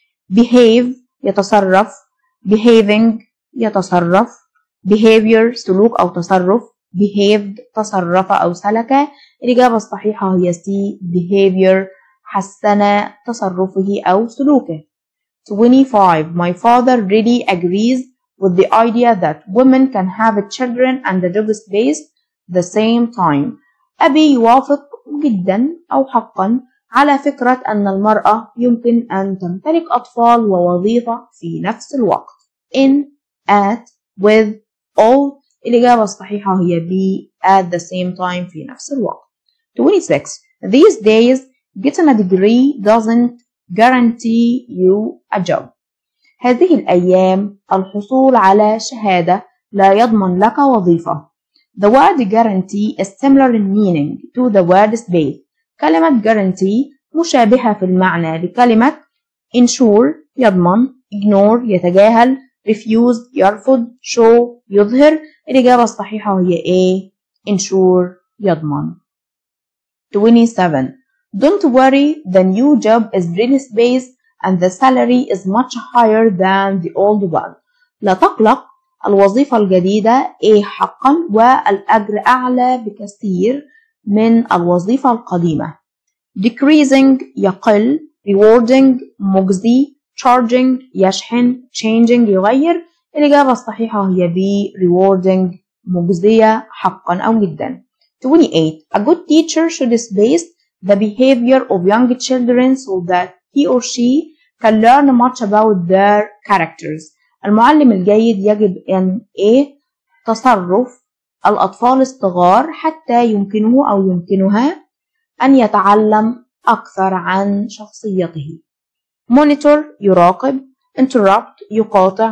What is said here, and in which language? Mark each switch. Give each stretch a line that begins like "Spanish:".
Arabic: Behave يتصرف. Behaving يتصرف. behavior سلوك أو تصرف. behaved تصرف أو سلك. الإجابة الصحيحة هي C behavior حسن تصرفه أو سلوكه.
English: 25 My father really agrees with the idea that women can have children and a job space the same time.
Arabic: أبي يوافق جدا أو حقا على فكرة أن المرأة يمكن أن تمتلك أطفال ووظيفة في نفس الوقت. in at with All الإجابة الصحيحة هي B
English: at the same time
Arabic: في نفس الوقت.
English: 26 These days getting a degree doesn't guarantee you a job.
Arabic: هذه الأيام الحصول على شهادة لا يضمن لك وظيفة.
English: The word guarantee is similar in meaning to the word space.
Arabic: كلمة guarantee مشابهة في المعنى لكلمة ensure يضمن. ignore يتجاهل. refused يرفض. show يظهر. الإجابة الصحيحة هي A ensure يضمن.
English: 27 Don't worry the new job is really space and the salary is much higher than the old one.
Arabic: لا تقلق الوظيفة الجديدة A حقا والأجر أعلى بكثير من الوظيفة القديمة. decreasing يقل. rewarding مجزي. charging يشحن. changing يغير. الإجابة الصحيحة هي B rewarding مجزية حقا أو جدا.
English: 28 A good teacher should space the behavior of young children so that he or she can learn much about their characters.
Arabic: المعلم الجيد يجب أن A تصرف الأطفال الصغار حتى يمكنه أو يمكنها أن يتعلم أكثر عن شخصيته. monitor يراقب. interrupt يقاطع.